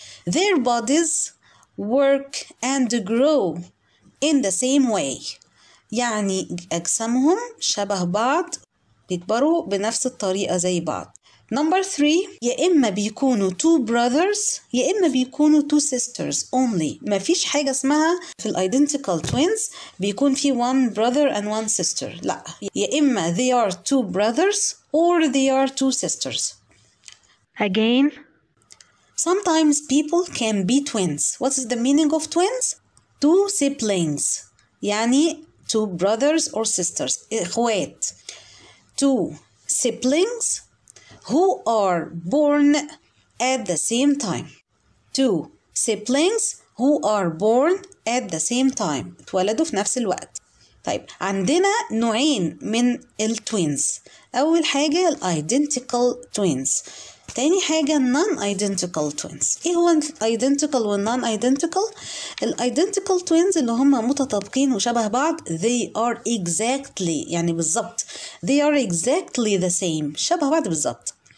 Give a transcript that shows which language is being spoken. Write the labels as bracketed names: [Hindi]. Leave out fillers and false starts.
[English] Their bodies work and grow in the same way. [Arabic] يعني أجسامهم شبه بعض بيكبروا بنفس الطريقة زي بعض. [English] Number three, [Arabic] يا إما بيكونوا [English] two brothers يا إما بيكونوا two sisters only. [Arabic] ما فيش حاجة اسمها في الidentical twins بيكون في [English] one brother and one sister. [Arabic] لا, يا إما [English] they are two brothers or they are two sisters. Again, sometimes people can be twins. What is the meaning of twins? Two siblings. يعني two brothers or sisters. إخوات. Two siblings who are born at the same time. Two siblings who are born at the same time. [Arabic] اتولدوا في نفس الوقت. طيب عندنا نوعين من التوينز. أول حاجة الايدنتيكال توينز. تاني حاجة [English] non-identical twins. [Arabic] إيه هو identical وال-non-identical؟ الidentical twins اللي هم متطابقين وشبه بعض [English] they are exactly [Arabic] يعني بالضبط [English] they are exactly the same [Arabic] شبه بعض بالضبط.